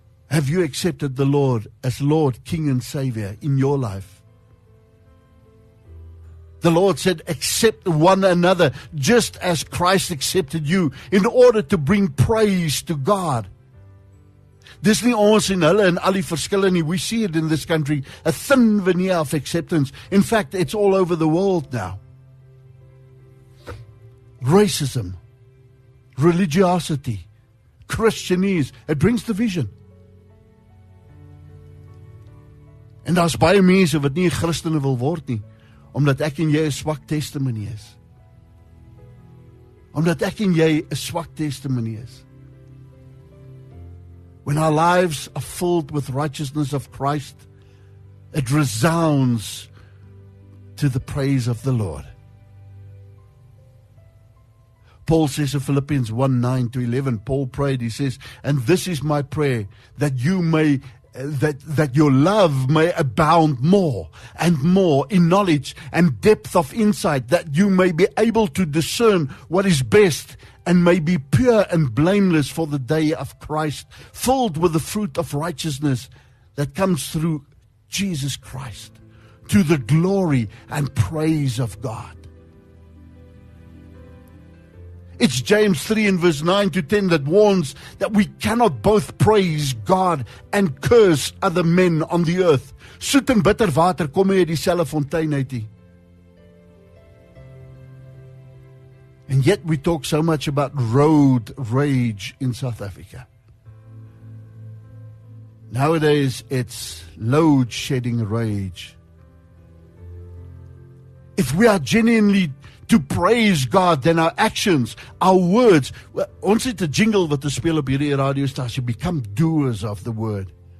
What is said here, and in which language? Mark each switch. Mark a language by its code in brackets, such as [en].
[en] Have you accepted the Lord as Lord, King, and Savior in your life? The Lord said, accept one another just as Christ accepted you in order to bring praise to God. [af] Dis nie ons en hulle en al die verskille nie. [en] We see it in this country, a thin veneer of acceptance. In fact, it's all over the world now. Racism, religiosity, Christianese, it brings division. [af] En daar is baie mense wat nie Christene wil word nie, omdat ek en jy 'n swak testimonie is. Omdat ek en jy 'n swak testimonie is. [en] When our lives are filled with righteousness of Christ, it resounds to the praise of the Lord. Paul says in Philippians 1:9-11, Paul prayed, he says, and this is my prayer, that you may that your love may abound more and more in knowledge and depth of insight, that you may be able to discern what is best and may be pure and blameless for the day of Christ, filled with the fruit of righteousness that comes through Jesus Christ, to the glory and praise of God. It's James 3 and verse 9 to 10 that warns that we cannot both praise God and curse other men on the earth. [af] Soet en bitter water kom uit dieselfde fontein uit. [en] And yet we talk so much about road rage in South Africa. Nowadays it's load shedding rage. If we are genuinely to praise God, then our actions, our words, [af] ons het 'n jingle wat te speel op hierdie radiostasie, [en] become doers of the word.